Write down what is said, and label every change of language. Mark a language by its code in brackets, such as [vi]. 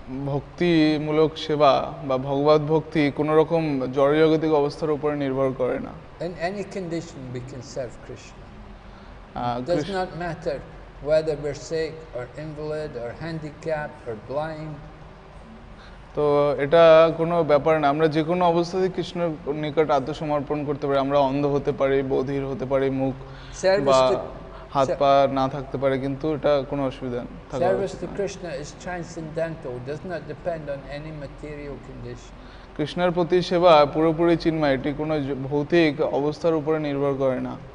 [bn] ভক্তিমূলক সেবা বা ভগবত ভক্তি কোনো রকম জড়জাগতিক অবস্থার উপরে নির্ভর করে না। [en] In any condition we can serve Krishna. Does not matter whether we're sick or invalid or handicapped or blind. [bn] তো এটা কোনো ব্যাপার না, আমরা যে কোনো অবস্থাতে কৃষ্ণের নিকট আত্মসমর্পণ করতে পারি। আমরা অন্ধ হতে পারি, বধির হতে পারি, মুখ বা হাত পা না থাকতে পারে, কিন্তু এটা কোনো অসুবিধা না। [en] Service to Krishna is transcendental, does not depend on any material condition. [bn] কৃষ্ণের প্রতি সেবা পুরোপুরি চিন্ময়, এটি কোনো ভৌতিক অবস্থার উপরে নির্ভর করে না।